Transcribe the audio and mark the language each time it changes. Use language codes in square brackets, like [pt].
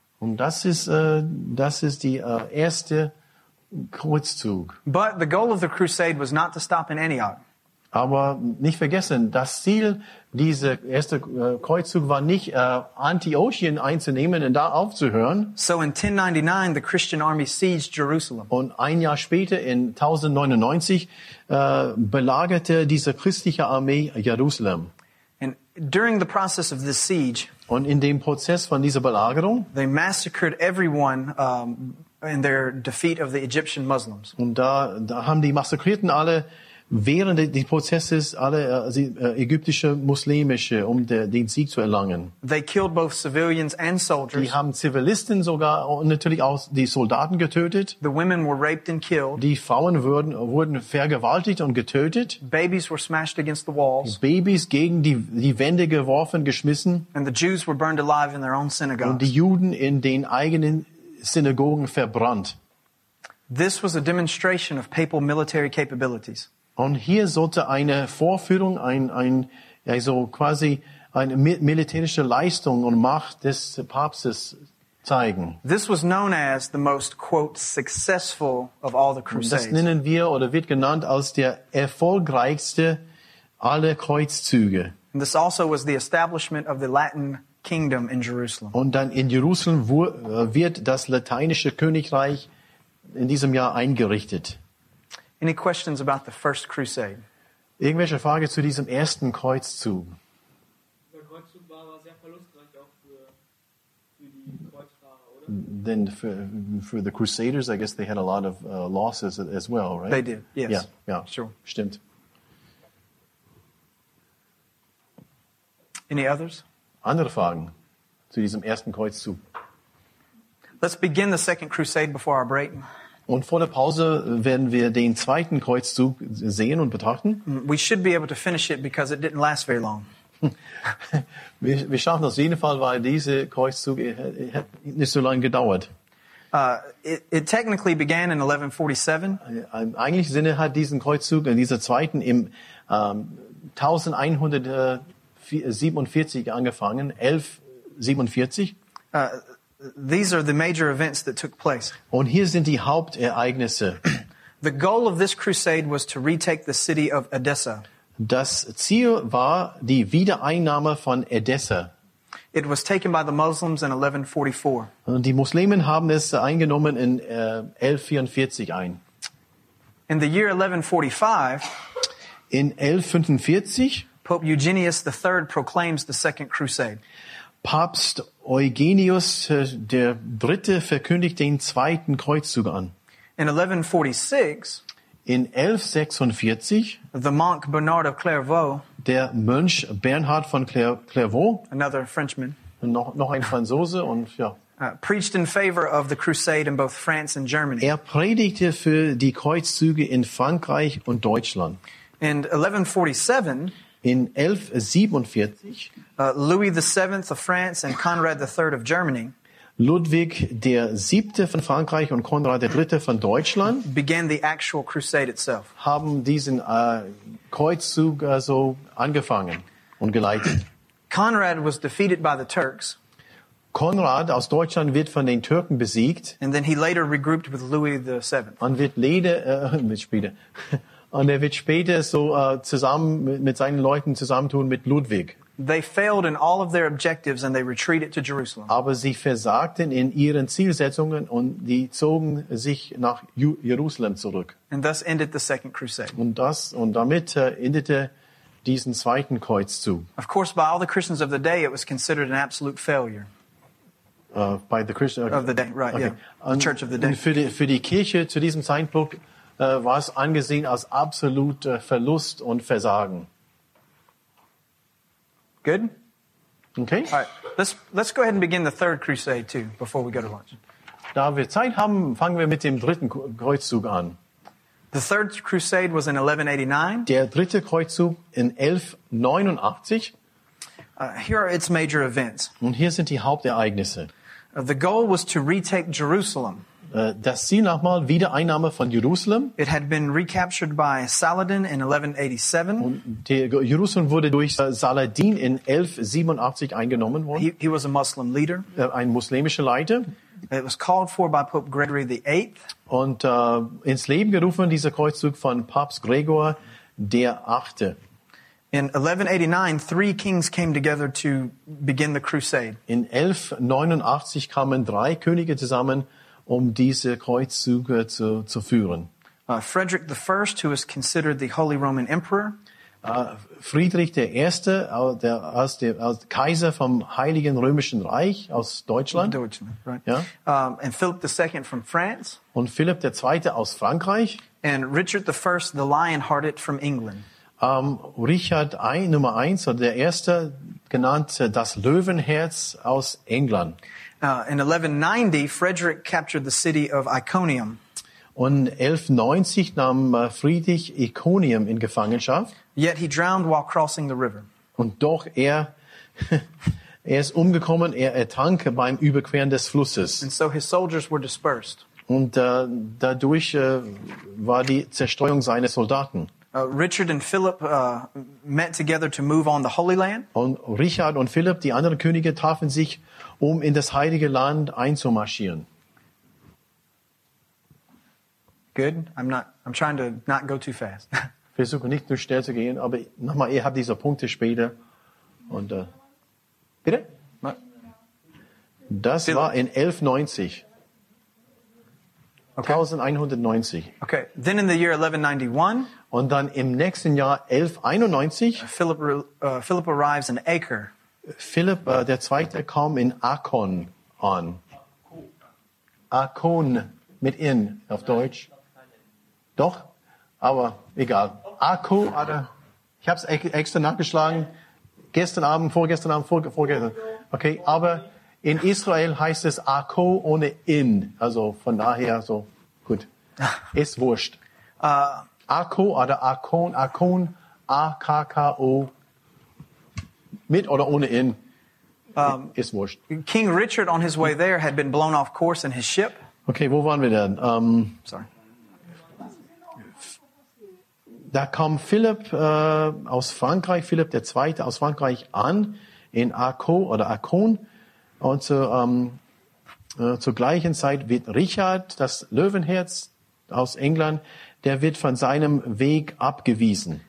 [de] Und das ist die erste Kreuzzug. [en] But the goal of the crusade was not to stop in Antioch. [de] Aber nicht vergessen, das Ziel dieser erste Kreuzzug war nicht Antiochien einzunehmen und da aufzuhören. [en] So in 1099 the Christian army sieged Jerusalem. [de] Und ein Jahr später in 1099 belagerte diese christliche Armee Jerusalem. [en] And during the process of this siege, [de] und in dem Prozess von dieser Belagerung, [en] they massacred everyone in their defeat of the Egyptian Muslims. [de] Und da haben die massakrierten alle während des Prozesses alle ägyptische muslimische um den Sieg zu erlangen. [en] They killed both civilians and soldiers. [de] Die haben Zivilisten sogar und natürlich auch die Soldaten getötet. [en] The women were raped and killed. [de] Die Frauen wurden vergewaltigt und getötet. [en] Babies were smashed against the walls. [de] Babys gegen die Wände geworfen, geschmissen. [en] And the Jews were burned alive in their own synagogues. [de] Und die Juden in den eigenen Synagogen verbrannt. [en] This was a demonstration of papal military capabilities. [de] Und hier sollte eine Vorführung, eine militärische Leistung und Macht des Papstes zeigen. [en] This was known as the most, quote, successful of all the crusades. [de] Das nennen wir oder wird genannt als der erfolgreichste aller Kreuzzüge. [en] And this also was the establishment of the Latin kingdom in Jerusalem. [de] Und dann in Jerusalem wird das lateinische Königreich in diesem Jahr eingerichtet. [en] Any questions about the first crusade? [de] Irgendwelche Frage zu diesem ersten Kreuzzug? Der Kreuzzug war sehr verlustreich auch für die Kreuzfahrer, oder? [en] Then for the crusaders, I guess they had a lot of losses as well, right? They did. Yes. Yeah, sure. [de] Stimmt. [en] Any others? [de] Andere Fragen zu diesem ersten Kreuzzug? [en] Let's begin the second crusade before our break. [de] Und vor der Pause werden wir den zweiten Kreuzzug sehen und betrachten. [en] We should be able to finish it because it didn't last very long. [de] Wir schaffen das auf jeden Fall, weil dieser Kreuzzug hat nicht so lange gedauert. [en] It technically began in 1147. [de] Eigentlich Sinne hat diesen Kreuzzug, dieser zweiten, im 1147 angefangen, 1147. [en] These are the major events that took place. [de] Und hier sind die Hauptereignisse. [en] The goal of this crusade was to retake the city of Edessa. [de] Das Ziel war die Wiedereinnahme von Edessa. [en] It was taken by the Muslims in 1144. [de] Und die Muslimen haben es eingenommen in 1144 ein. [en] In the year 1145, [de] in 1145, [en] Pope Eugenius III proclaims the Second Crusade. [de] Papst Eugenius der Dritte verkündigt den zweiten Kreuzzug an. [en] In 1146, [de] in 1146, [en] the monk Bernard of Clairvaux, [de] der Mönch Bernhard von Clairvaux, [en] another Frenchman, [de] noch ein Franzose und ja, [en] preached in favor of the crusade in both France and Germany. [de] Er predigte für die Kreuzzüge in Frankreich und Deutschland. [en] In 1147, [de] in 1147, [en] Louis VII of France and Conrad III of Germany, [de] Ludwig der Siebte von Frankreich und Konrad der Dritte von Deutschland, [en] began the actual crusade itself. [de] Haben diesen Kreuzzug also angefangen und geleitet. [en] Conrad was defeated by the Turks. [de] Konrad aus Deutschland wird von den Türken besiegt. [en] And then he later regrouped with Louis VII. [de] Und er wird später so zusammen mit seinen Leuten zusammentun mit Ludwig. [en] They failed in all of their objectives and they retreated to Jerusalem. [de] Aber sie versagten in ihren Zielsetzungen und die zogen sich nach Jerusalem zurück. [en] And thus ended the Second Crusade. [de] Und damit endete diesen zweiten Kreuzzug. [en] Of course, by all the Christians of the day, it was considered an absolute failure. The Church of the day. [de] Und für die Kirche zu diesem Zeitpunkt war es angesehen als absoluter Verlust und Versagen. [en] Good? Okay. All right. Let's go ahead and begin the third crusade too, before we go to lunch. [de] Da wir Zeit haben, fangen wir mit dem dritten Kreuzzug an. [en] The third crusade was in 1189. [de] Der dritte Kreuzzug in 1189. [en] Here are its major events. [de] Und hier sind die Hauptereignisse. [en] The goal was to retake Jerusalem. [de] Das Ziel nochmal, Wiedereinnahme von Jerusalem. [en] It had been recaptured by Saladin in 1187. [de] Und Jerusalem wurde durch Saladin in 1187 eingenommen worden. [en] He was a Muslim leader. [de] Ein muslimischer Leiter. [en] It was called for by Pope Gregory VIII. [de] Und ins Leben gerufen, dieser Kreuzzug von Papst Gregor der Achte. [en] In 1189, three kings came together to begin the crusade. [de] In 1189 kamen drei Könige zusammen, um diese Kreuzzüge zu führen. [en] Frederick I, who is considered the Holy Roman Emperor. [de] Friedrich der Erste, der als der als Kaiser vom Heiligen Römischen Reich aus Deutschland. [en] Right. [de] Ja. [en] And Philip II from France. [de] Und Philipp der Zweite aus Frankreich. [en] And Richard I, the Lionhearted from England. [de] Richard I, Nummer eins, oder der Erste, genannt das Löwenherz aus England. [en] In 1190, Frederick captured the city of Iconium. [de] Und 1190 nahm Friedrich Iconium in Gefangenschaft. [en] Yet he drowned while crossing the river. [de] Und doch er ist umgekommen, er ertrank beim Überqueren des Flusses. [en] And so his soldiers were dispersed. [de] Und dadurch war die Zerstreuung seiner Soldaten. [en] Richard and Philip met together to move on the Holy Land. [de] Und Richard und Philipp, die anderen Könige, trafen sich, um in das Heilige Land einzumarschieren. [en] Good. I'm trying to not go too fast. [de] Versuche nicht zu schnell zu gehen, aber nochmal, ihr habt diese Punkte später. Und bitte? Das war in 1190. Okay. 1190. [en] Okay. Then in the year 1191. [de] Und dann im nächsten Jahr 1191. [en] Philip arrives in Acre. [de] Philip der Zweite kam in Akon an. Akon mit in auf Deutsch. Doch, aber egal. Akku, ich habe es extra nachgeschlagen. Vorgestern Abend. Okay, aber in Israel heißt es Akku ohne in. Also von daher so gut. Ist wurscht. Akku oder Akon, Akon, A-K-K-O. Mit oder ohne in. Ist wurscht. [en] King Richard on his way there had been blown off course in his ship. [de] Okay, wo waren wir denn? Sorry. Da kam Philipp aus Frankreich, Philipp der Zweite aus Frankreich an in Arco oder Akon. Und zur gleichen Zeit wird Richard, das Löwenherz aus England, der wird von seinem Weg abgewiesen.